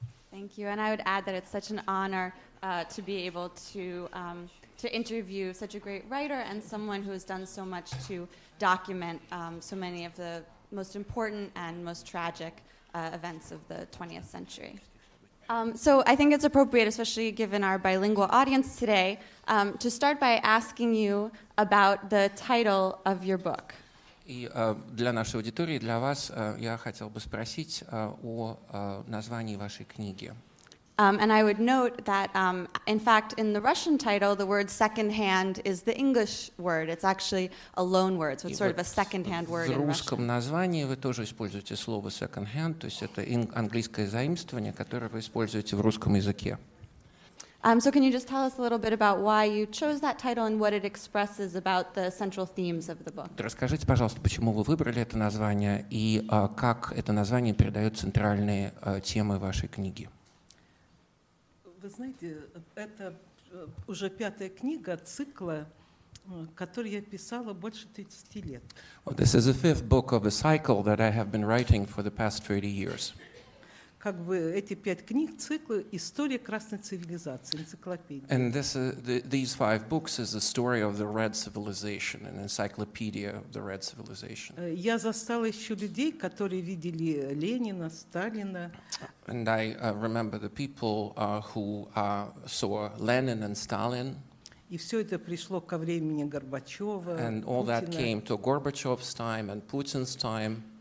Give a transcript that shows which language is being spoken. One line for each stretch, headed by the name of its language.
English: Thank you, and I would add that it's such an honor to be able to interview such a great writer and someone who has done so much to document so many of the most important and most tragic events of the 20th century. So I think it's appropriate, especially given our bilingual audience today, to start by asking you about the title of your book.
Russian: И для нашей аудитории, для вас, я хотел бы спросить о названии вашей книги.
English: And I would note that, in fact, in the Russian title, the word secondhand is the English word. It's actually a loan word, so it's sort of a secondhand word in Russian.
Russian: В русском названии вы тоже используете слово secondhand, то есть это английское заимствование, которое вы используете в русском языке.
English: So can you just tell us a little bit about why you chose that title and what it expresses about the central themes of the book?
Russian: Расскажите, пожалуйста, почему вы выбрали это название и как это название передает центральные темы вашей книги? Вы знаете, это уже пятая книга цикла, который я писала больше 30 лет.
English: Well, this is the fifth book of a cycle that I have been writing for the past 30 years.
Russian: Как бы эти пять книг цикла «История красной цивилизации», энциклопедия.
English: And this, these five books is the story of the Red Civilization, an encyclopedia of the Red Civilization.
Russian: Я застала еще людей, которые видели Ленина, Сталина.
English: And I remember the people who saw Lenin and Stalin.
Russian: И все это пришло ко времени Горбачева,
English: And all
Russian: Путина.
English: That came to Gorbachev's time and Putin's time.